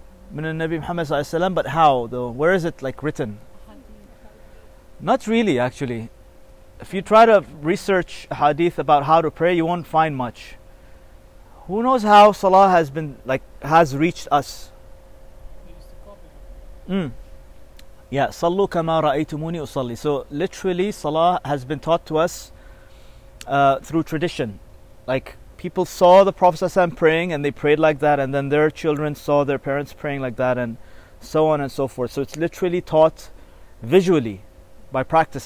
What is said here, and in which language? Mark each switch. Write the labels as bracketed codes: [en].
[en] Min al-Nabi Muhammad sallallahu alayhi wa sallam. But how though? Where is it like written? Not really, actually. If you try to research hadith about how to pray, you won't find much. Who knows how Salah has been, like, has reached us? We used to copy. Mm. [ar] Yeah, صلوا كما رأيتموني أصلي. [en] So literally, salah has been taught to us through tradition. Like people saw the Prophet ﷺ praying and they prayed like that, and then their children saw their parents praying like that, and so on and so forth. So it's literally taught visually by practice.